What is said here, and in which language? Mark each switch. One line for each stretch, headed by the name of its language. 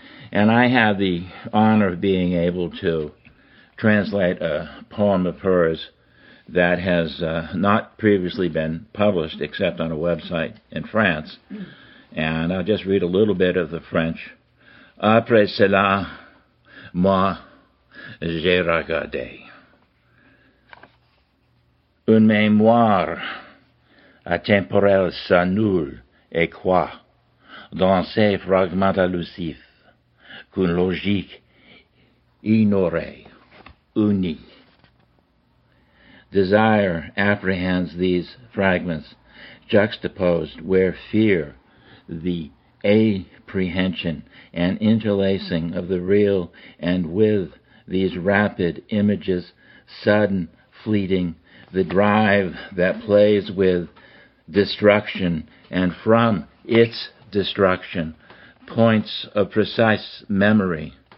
English: And I had the honor of being able to translate a poem of hers that has not previously been published except on a website in France. And I'll just read a little bit of the French.
French: Après cela, moi, j'ai regardé. Une mémoire atemporel s'annule et croit dans ces fragments allusifs qu'une logique ignorée unit.
English: Desire apprehends these fragments juxtaposed where fear, the apprehension and interlacing of the real and with these rapid images, sudden, fleeting, the drive that plays with destruction and from its destruction, points of precise memory,